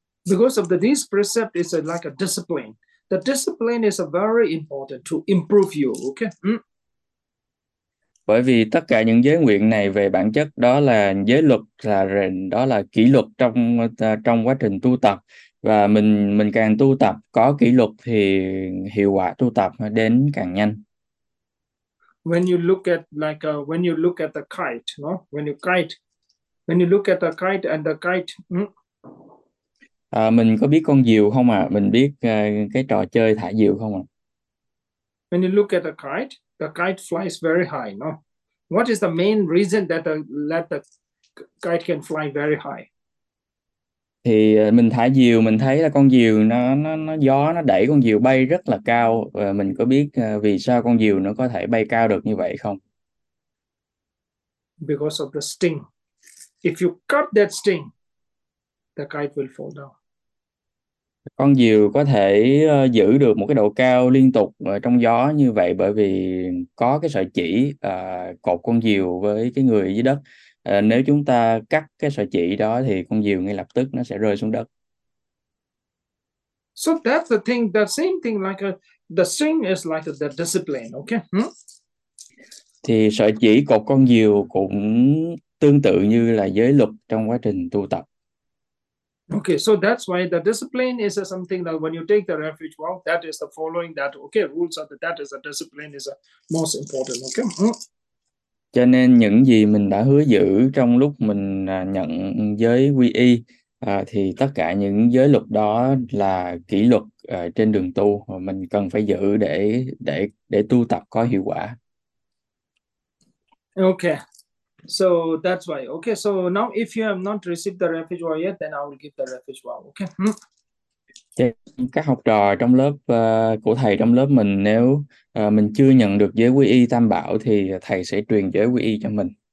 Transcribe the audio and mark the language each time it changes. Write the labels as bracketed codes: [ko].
[en] Because of the these precept is like a discipline. The discipline is very important to improve you. Okay. [vi] Bởi vì tất cả những giới nguyện này về bản chất đó là giới luật, là rèn, đó là kỷ luật trong trong quá trình tu tập. Và mình càng tu tập có kỷ luật thì hiệu quả tu tập đến càng nhanh. [en] When you look at like when you look at the kite, no? When you kite, when you look at the kite and the kite, [vi] Mình có biết con diều không ạ? À? Mình biết cái trò chơi thả diều không ạ? [en] When you look at the kite flies very high, no? What is the main reason that the kite can fly very high? [vi] Thì mình thả diều, mình thấy là con diều nó gió nó đẩy con diều bay rất là cao, và mình có biết vì sao con diều nó có thể bay cao được như vậy không? [en] Because of the sting. If you cut that sting, the kite will fall down. [vi] Con diều có thể giữ được một cái độ cao liên tục trong gió như vậy bởi vì có cái sợi chỉ cột con diều với cái người dưới đất. Nếu chúng ta cắt cái sợi chỉ đó thì con diều ngay lập tức nó sẽ rơi xuống đất. [en] So that's the thing, the same thing like the sting is like the discipline, okay? [vi] Thì sợi chỉ cột con diều cũng tương tự như là giới luật trong quá trình tu tập. [en] Okay, so that's why the discipline is something that when you take the refuge vow, that is the following that, okay, rules of that is the discipline is most important, okay? [vi] Cho nên những gì mình đã hứa giữ trong lúc mình nhận giới quy y thì tất cả những giới luật đó là kỷ luật trên đường tu mà mình cần phải giữ để tu tập có hiệu quả. [en] Okay. So that's why. Okay. So now, if you have not received the refuge vow yet, then I will give the refuge vow. Okay. [vi] Các học trò trong lớp của thầy trong lớp mình, nếu mình chưa nhận được giới quy y Tam Bảo thì thầy sẽ truyền giới quy y cho mình.